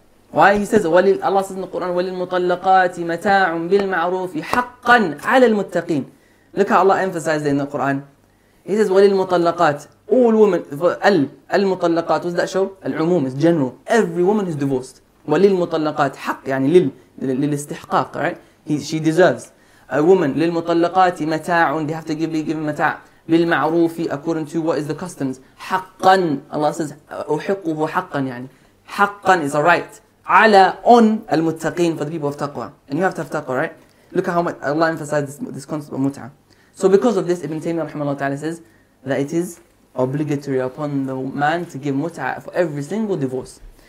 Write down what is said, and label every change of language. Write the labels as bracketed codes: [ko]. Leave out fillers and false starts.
[en] Why? He says, Allah says in the Quran, [ar] وَلِلْمُطَلَّقَاتِ مَتَاعٌ بِالْمَعْرُوفِ حَقًّا عَلَى الْمُتَّقِينَ. [en] Look how Allah emphasized it in the Quran. He says, وَلِلْمُطَلَّقَاتِ All women, المطلقات, what's that show? العموم, it's general. Every woman who's divorced. [ar] وَلِلْمُطَلَّقَاتِ حَقٍّ يعني للاستحقاق, right? [en] She deserves. A woman, [ar] لِلْمُطَلَّقَاتِ مَتَاعٌ, [en] they have to give [ar] مَتَاعٌ بِالْمَعْرُوفِ [en] according to what is the customs. [ar] حَقًّا, [en] Allah says, [ar] أُحِقُّهُ حَقًّا يعني. [en] حقا is a right. على on المتقين for the people of taqwa. And you have to have taqwa, right? Look at how much Allah emphasized this concept of mut'ah. So because of this, Ibn Taymiyyah rahimahullah ta'ala says that it is obligatory upon the man to give mut'ah for every single divorce.